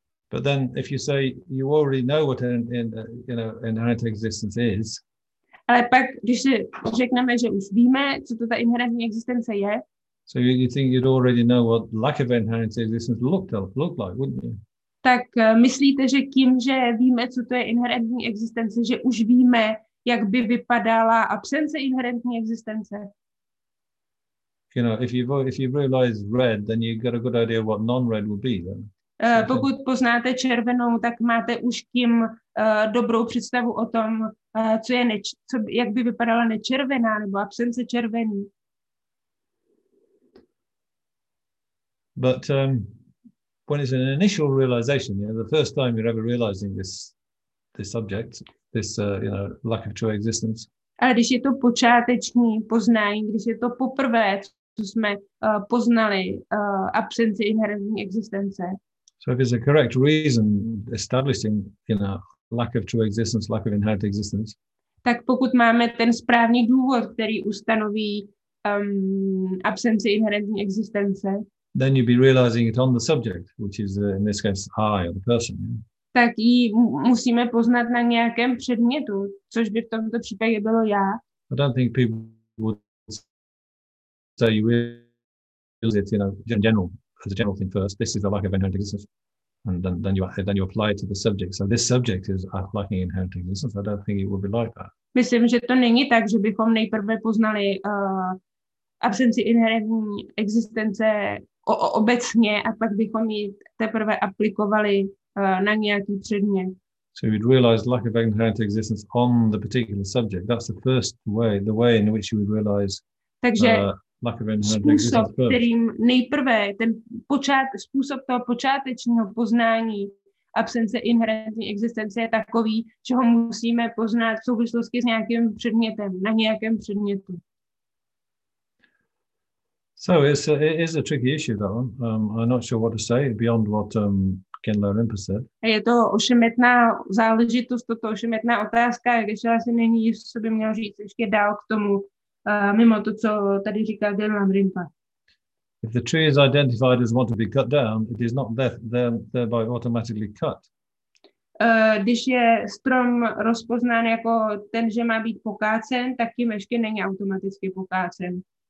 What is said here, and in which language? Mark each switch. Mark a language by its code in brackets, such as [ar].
[en] But then if you say you already know what inherent existence is. [cs] Ale pak, když si řekneme, že už víme, co to ta inherentní existence je. [en] So you think you'd already know what lack of inherent existence looked like, wouldn't you? [cs] Tak myslíte, že tím, že víme, co to je inherentní existence, že už víme, jak by vypadala absence inherentní existence? [en] You know, if you realize red, then you get a good idea what non-red would be then. [cs] Pokud poznáte červenou, tak máte už tím dobrou představu o tom, jak by vypadala nečervená nebo absence červený. [en] But when it's an initial realization, you know, the first time you're ever realizing this subject, this you know, lack of true existence. [cs] A když je to počáteční poznání, když je to poprvé, co jsme poznali absence inherentní existence. [en] So if it's a correct reason establishing, you know, lack of true existence, lack of inherent existence. [cs] Tak pokud máme ten správný důvod, který ustanoví absenci inherentní existence. [en] Then you'd be realizing it on the subject, which is in this case I or the person. [cs] Tak ji musíme poznat na nějakém předmětu, což by v tomto případě bylo já. [en] I don't think people would say you feels it, you know, in general, as a general thing first, this is the lack of inherent existence. And then you apply it to the subject. So this subject is lacking inherent existence. I don't think it would be like that. [cs] Myslím, že to není tak, že bychom nejprve poznali absenci inherentní existence obecně a pak bychom ji teprve aplikovali na nějaký předmět. [en] So you'd realize lack of inherent existence on the particular subject. That's the first way, the way in which you would realize lack of inherent existence. [cs] Takže způsob, kterým nejprve, ten způsob toho počátečního poznání absence inherentní existence je takový, že ho musíme poznat v souvislosti s nějakým předmětem, na nějakém předmětu. [en] So it is a tricky issue though. I'm not sure what to say beyond what Kindler Rinpa said. [cs] Je to ošemetná záležitost, toto ošemetná otázka, ještě asi není jist, co by měl říct ještě dál k tomu, mimo to, co tady říkal Kindler Rinpa. [en] If the tree is identified as one to be cut down, it is not thereby automatically cut. [cs] Když je strom rozpoznán jako ten, že má být pokácen, tak tím ještě není automaticky pokácen.